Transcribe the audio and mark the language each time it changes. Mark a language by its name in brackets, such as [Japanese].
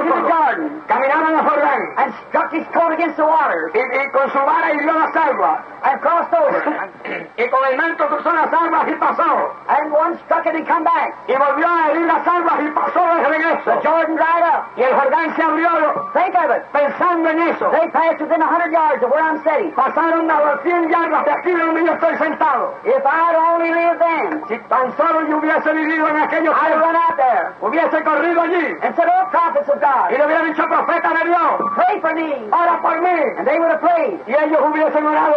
[English] Going to the garden. [Spanish] Caminaron a Jordán. [English] And struck his coat against the water. [Spanish] Y con su vara hirió las aguas. [English] And crossed over. [Spanish] Y con el manto cruzó las aguas y pasó. [English] And one struck it and come back. [Spanish] Y volvió a herir las aguas y pasó de regreso. [English] The Jordan dried up. [Spanish] Y el Jordán se abrió. [English] Think of it. [Spanish] Pensando en eso. [English] They passed within 100 yards of where I'm sitting. [Spanish] Pasaron a las 100 yardas de aquí donde yo estoy sentado. [English] If I'd only lived then. [Spanish] Si tan solo yo hubiese vivido en aquellos [English] años, I'd run out there. [Spanish] Hubiese corrido allí. [English] And said, oh, prophets of God. [Spanish] Y le hubiera dicho, profeta de Dios. [English] Pray for me. [Spanish] Ora por mí. [English] And they would have prayed. [Spanish] Y ellos hubiesen orado